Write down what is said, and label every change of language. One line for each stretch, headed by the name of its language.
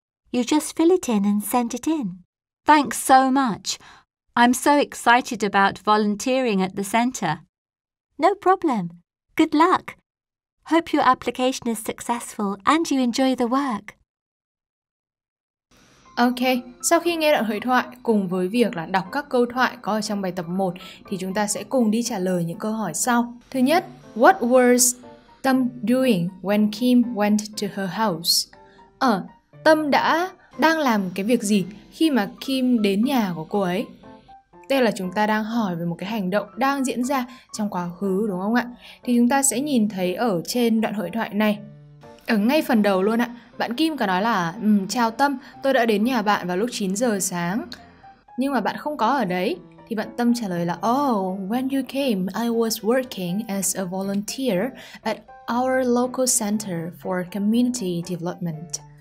English: You just fill it in and send it in. Thanks so much. I'm so excited about volunteering at the centre. No problem. Good luck. Hope your application is successful and you enjoy the work.
Vietnamese: Ok, sau khi nghe đoạn hội thoại cùng với việc là đọc các câu thoại có ở trong bài tập 1 thì chúng ta sẽ cùng đi trả lời những câu hỏi sau. Thứ nhất,
English: what was Tâm doing when Kim went to her house?
Vietnamese: Tâm đang làm cái việc gì khi mà Kim đến nhà của cô ấy? Đây là chúng ta đang hỏi về một cái hành động đang diễn ra trong quá khứ, đúng không ạ? Thì chúng ta sẽ nhìn thấy ở trên đoạn hội thoại này, ở ngay phần đầu luôn ạ, bạn Kim có nói là chào Tâm, tôi đã đến nhà bạn vào lúc 9 giờ sáng, nhưng mà bạn không có ở đấy. Thì bạn Tâm trả lời là
English: oh, when you came, I was working as a volunteer at our local center for community development.